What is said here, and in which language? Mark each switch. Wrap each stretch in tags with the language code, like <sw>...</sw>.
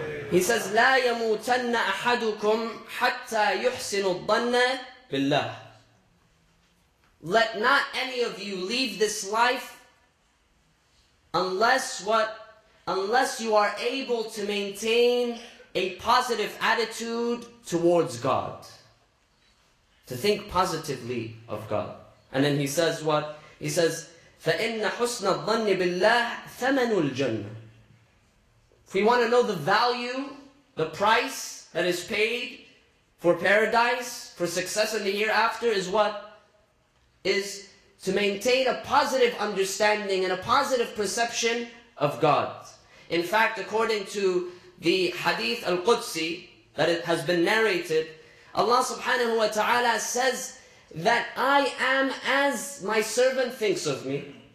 <en>He says,</en> <ar>لا يموتن أحدكم حتى يحسن الظن بالله.</ar> <en>Let not any of you leave this life unless you are able to maintain a positive attitude towards God. To think positively of God. And then he says what? He says,</en> <ar>فَإِنَّ حُسْنَ الظَّنِّ بِاللَّهِ ثَمَنُ الْجَنَّةِ.</ar> <en>If we want to know the value, the price that is paid for paradise, for success in the hereafter, is what? Is to maintain a positive understanding and a positive perception of God. In fact, according to the hadith al-Qudsi that it has been narrated, Allah subhanahu wa ta'ala says that I am as my servant thinks of me.</en>